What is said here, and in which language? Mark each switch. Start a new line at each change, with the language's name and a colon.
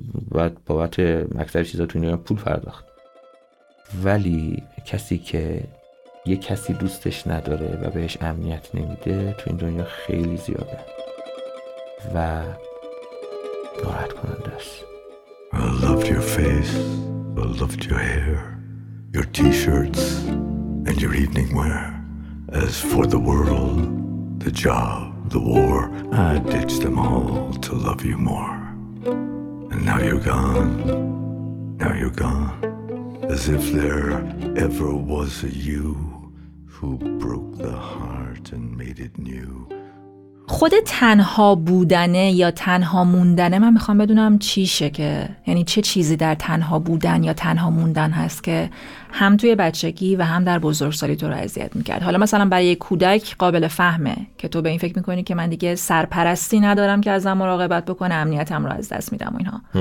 Persian: بعد بابت اکثر چیزا توی نیا پول پرداخت. ولی کسی که یه کسی دوستش نداره و بهش امنیت نمیده تو این دنیا خیلی زیاده و ناراحت کننده است.
English: I loved your face, I loved your hair, your t-shirts and your evening wear. As for the world, the job, the war, I ditched them all to love you more. And now you're gone, now you're gone. As if there ever was a you who broke the heart and made it new.
Persian: خود تنها بودنه یا تنها موندنه، من میخوام بدونم چیشه، که یعنی چه چیزی در تنها بودن یا تنها موندن هست که هم توی بچگی و هم در بزرگسالی تو رو اذیت میکرد. حالا مثلا برای کودک قابل فهمه که تو به این فکر میکنی که من دیگه سرپرستی ندارم که ازم مراقبت بکنه، امنیتم رو از دست میدم و اینها.